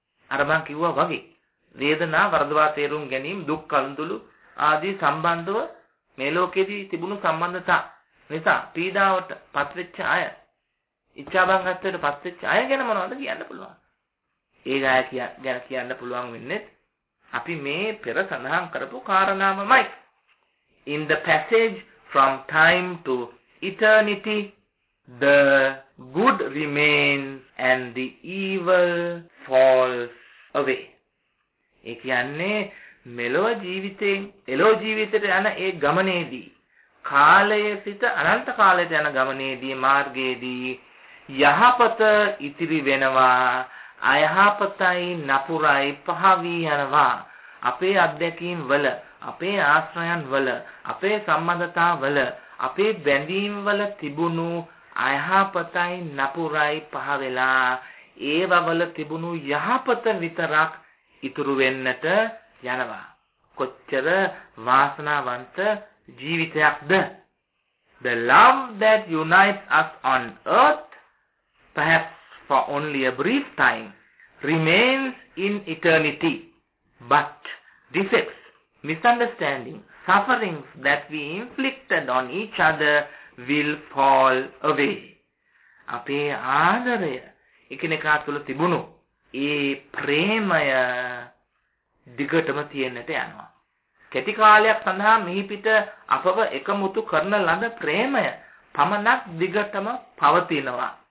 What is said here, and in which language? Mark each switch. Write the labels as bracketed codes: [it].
[si] අර මං කිව්වා වගේ වේදනා, වරදවා තේරුම් ගැනීම, දුක් කඳුළු ආදී සම්බන්ධව මේ ලෝකයේදී තිබුණු සම්බන්ධතා නිසා පීඩාවට පත්වෙච්ච අය, ඉච්ඡාබංගත්වයට පත්වෙච්ච අය ගැන මොනවද කියන්න පුළුවන්? ඒ අය ගැන කියන්න පුළුවන් වෙන්නේ අපි මේ පෙර සඳහන් කරපු කාරණාවමයි. [en] In the passage from time to eternity, the good remains and the evil falls away. [si] ඒ කියන්නේ මෙලොව ජීවිතයෙන් එලොව ජීවිතයට යන ඒ ගමනේදී, කාලයේ සිට අනන්ත කාලයට යන ගමනේදී, මාර්ගයේදී යහපත ඉතිරි වෙනවා, අයහපතයි නපුරයි පහවී යනවා. අපේ අත්දැකීම් වල, අපේ ආශ්‍රයන් වල, අපේ සම්බන්ධතා වල, අපේ බැඳීම් වල තිබුණු අයහපතයි නපුරයි පහ වෙලා ඒවවල තිබුණු යහපත විතරක් ඉතුරු වෙන්නට යනවා. කොච්චර වාසනාවන්ත ජීවිතයක්ද! [en] The love that unites us on earth, perhaps for only a brief time, remains in eternity. But defects, misunderstandings, sufferings that we inflicted on each other will fall away. [si] අපේ ආදරය එකිනෙකා තුළ තිබුණු ඒ ප්‍රේමය දිගටම තියෙන්නට යනවා. කෙටි කාලයක් සඳහා මෙහි පිට අපව එකමුතු කරන ලද ප්‍රේමය පමණක් දිගටම පවතිනවා.